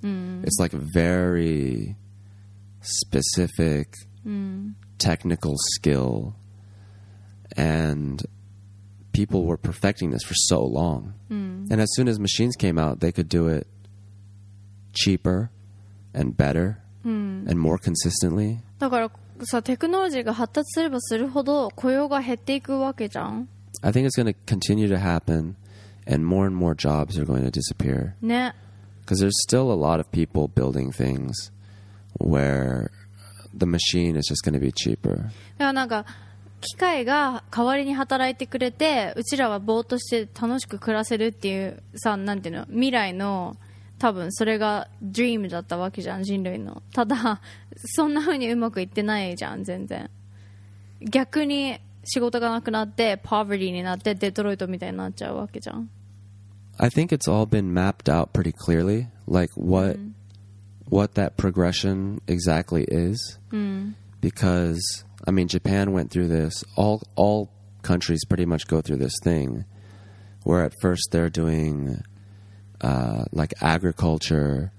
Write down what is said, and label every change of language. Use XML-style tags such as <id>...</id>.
<en>It's like very specific technical skill, and people were perfecting this for so long. And as soon as machines came out, they could do it cheaper and better and more consistently.</en> <ja>だからさ、テクノロジーが発達すればするほど雇用が減っていくわけじゃん。</ja> <en>I think it's going to continue to happen. And more jobs are going to disappear.</en> <ja>ね。</ja> <en>Because there's still a lot of people building things where the machine is just going to be cheaper.</en> <ja>だからなんか、機械が代わりに働いてくれて、うちらはぼーっとして楽しく暮らせるっていうさ、なんていうの、未来の、多分それがドリームだったわけじゃん、人類の。ただ、そんな風にうまくいってないじゃん、全然。逆に、仕事がなくなって、ポーヴリーになって、デトロイトみたいになっちゃうわけじゃん。</ja> <en>I think it's all been mapped out pretty clearly. Like, what that progression exactly is. Mm. Because, I mean, Japan went through this. All countries pretty much go through this thing where at first they're doing like agriculture,</en>